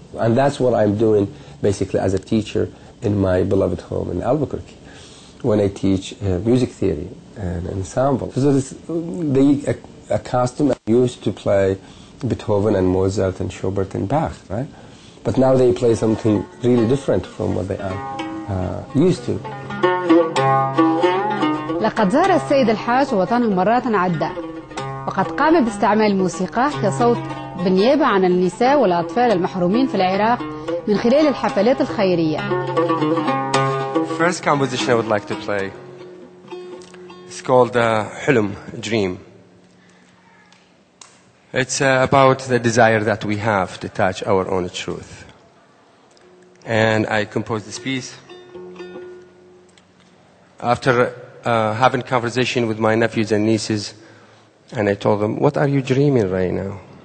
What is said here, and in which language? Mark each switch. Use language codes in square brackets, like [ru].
[en] And that's what I'm doing, basically, as a teacher in my beloved home in Albuquerque, when I teach music theory and ensemble. So this, they accustomed and used to play Beethoven and Mozart and Schubert and Bach, right? But now they play something really different from what they are used to. [ar] لقد زار السيد الحاج وطنه مرات عدة وقد قام باستعمال موسيقى كصوت بالنيابة عن النساء والأطفال المحرومين في العراق من خلال الحفلات الخيرية. [en] First composition I would like to play is called Hulum, Dream. It's about the desire that we have to touch our own truth. And I composed this piece after having conversation with my nephews and nieces, and I told them, what are you dreaming right now?